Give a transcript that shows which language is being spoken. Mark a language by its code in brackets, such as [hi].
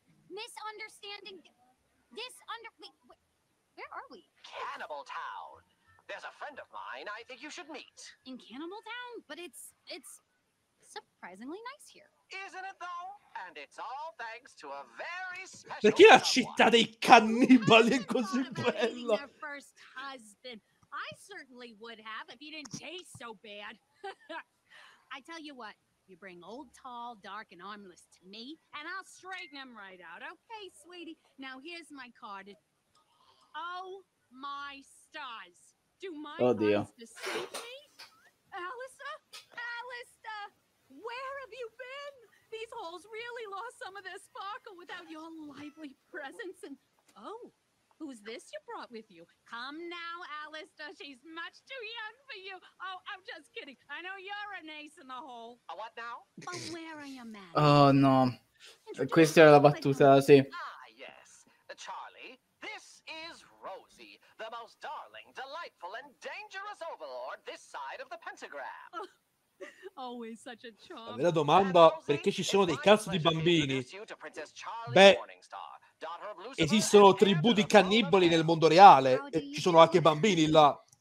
[en] Misunderstanding. Disunder... Wait, where are we? Cannibal Town. There's a friend of mine I think you should meet. In Cannibal Town? But it's surprisingly nice here. Isn't it though? And it's all thanks to a very special... [it] Perché la città dei cannibali è così bella? [en] Your first husband. I certainly would have if he didn't taste so bad. I tell you what, you bring old, tall, dark, and armless to me, and I'll straighten him right out. Okay, sweetie. Now here's my card. Oh my stars. Do my eyes deceive me? Alistair? Alistair! Where have you been? These halls really lost some of their sparkle without your lively presence and oh. Who's this you brought with you? Come now, Alistair. She's much too young for you. Oh, I'm just kidding. I know you're an ace in the hole. A what now? But where are your men? [it] Oh, no. Questa era la battuta, sì. [en] Ah, yes. Charlie, this is Rosie, the most darling, delightful, and dangerous overlord this side of the pentagram. Always such a charm. [it] La vera domanda, perché ci sono dei cazzo di bambini? Beh, esistono tribù di cannibali nel mondo reale, ci sono anche bambini là.